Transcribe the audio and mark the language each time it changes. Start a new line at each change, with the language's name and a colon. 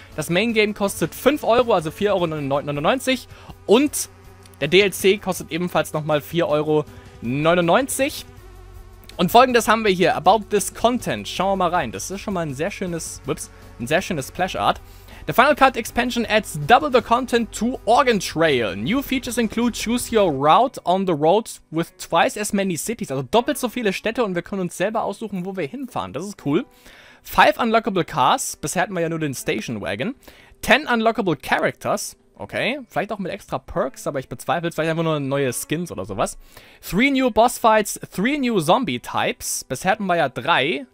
German: Das Main Game kostet 5 Euro, also 4,99 €. Und der DLC kostet ebenfalls nochmal 4,99 €. Und folgendes haben wir hier.
English: About this content.
German: Schauen wir mal rein. Das ist schon mal ein sehr schönes Splash Art.
English: The Final Cut Expansion adds double the content to Oregon Trail. New features include choose your route on the road with twice as many cities.
German: Also doppelt so viele Städte, und wir können uns selber aussuchen, wo wir hinfahren. Das ist cool.
English: 5 unlockable cars.
German: Bisher hatten wir ja nur den Station Wagon.
English: 10 unlockable characters.
German: Okay, vielleicht auch mit extra Perks, aber ich bezweifle es. Vielleicht einfach nur neue Skins oder sowas.
English: 3 new Boss Fights, 3 new Zombie Types.
German: Bisher hatten wir ja 3.